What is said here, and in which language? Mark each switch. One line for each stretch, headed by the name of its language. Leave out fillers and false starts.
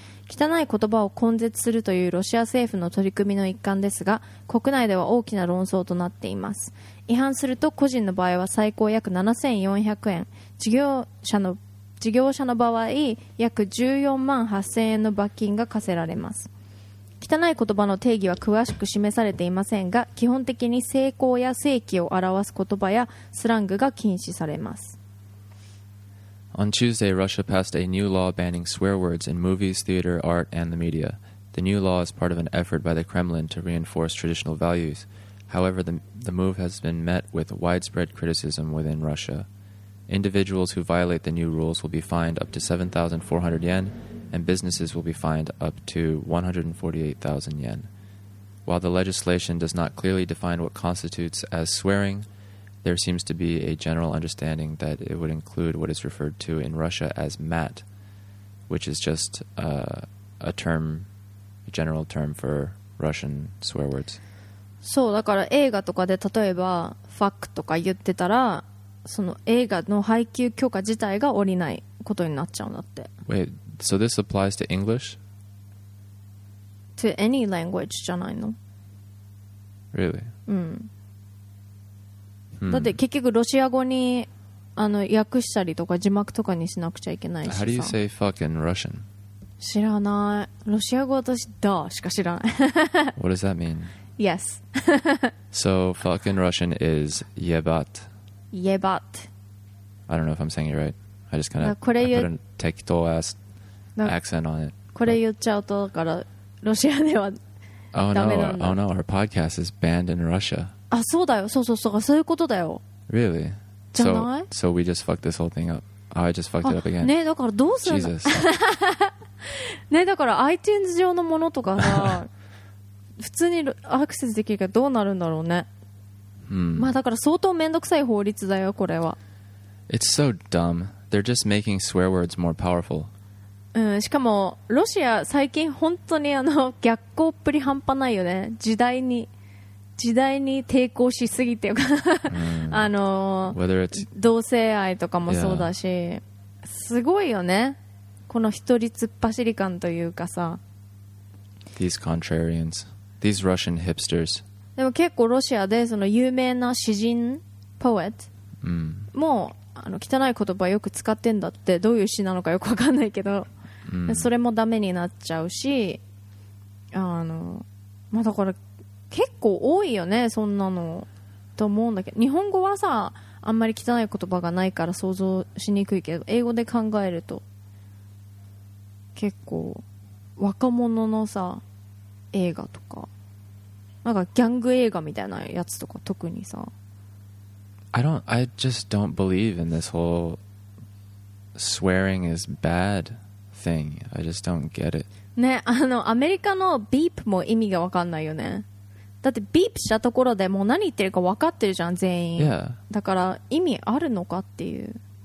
Japanese: 汚い言葉を根絶するというロシア政府の取り組みの一環ですが国内では大きな論争となっています違反すると個人の場合は最高約7,400円事業者の場合約148,000円の罰金が課せられます汚い言葉の定義は詳しく示されていませんが基本的に性交や性器を表す言葉やスラングが禁止されます
English: On Tuesday, Russia passed a new law banning swear words in movies, theater, art, and the media. The new law is part of an effort by the Kremlin to reinforce traditional values. However, the move has been met with widespread criticism within Russia. Individuals who violate the new rules will be fined up to 7,400 yen, and businesses will be fined up to 148,000 yen. While the legislation does not clearly define what constitutes as swearing,There seems to be a general understanding that it would include what is referred to in Russia as mat, which is just a general term for Russian swear words.
Japanese: そうだから映画とかで例えば fuck とか言ってたらその映画の配給許可自体が下りないことになっちゃうんだって。
English: Wait, so this applies to English? To any language
Japanese: じゃないの?
English: Really?
Japanese: うん。だって結局ロシア語にあの訳したりとか字幕とかにしなくちゃいけないしさ
English: How do you say fuck in Russian?
Japanese: 知らないロシア語私だしか知らない
English: What does that mean? Yes So fuck in Russian is yebat Yebat I don't know if I'm saying it right I just kind of put a 適当 ass accent on it
Japanese: これ言っちゃうとだからロシアではダメなんだ
English: Oh no, our podcast is banned in Russia
Japanese: あ、そうだよ。そうそうそう。そういうことだよ。
English: Really?
Japanese: じゃない?
English: So we just fucked this whole thing up. I just fucked it up again.
Japanese: ねえ、だからどうするの?
English: Jesus.
Japanese: ねえ、だから iTunes 上のものとかさ、普通にアクセスできるからどうなるんだろうね。まあだから相当めんどくさい法律だよ、これは。
English: It's so dumb. They're just making swear words more powerful.
Japanese: うん、しかもロシア最近本当にあの逆行っぷり半端ないよね。時代に抵抗しすぎてか、うん、あの同性愛とかもそうだし、yeah. すごいよねこの一人突っ走り感というかさ。
English: These contrarians, these Russian hipsters。
Japanese: でも結構ロシアでその有名な詩人 poet、うん、もうあの汚い言葉よく使ってんだって。どういう詩なのかよくわかんないけど、うん、それもダメになっちゃうし、あの、まあ、だから結構多いよねそんなのと思うんだけど、日本語はさあんまり汚い言葉がないから想像しにくいけど、英語で考えると結構若者のさ映画とか、なんかギャング映画みたいなやつとか特にさ、
English: I just don't believe in this whole swearing is bad thing. I just don't get it.
Japanese: ね、あのアメリカのビープも意味が分かんないよね。だってビープしたところでもう何言ってるか分かってるじゃん全員。
English: Yeah.
Japanese: だから意味あるのかっていう。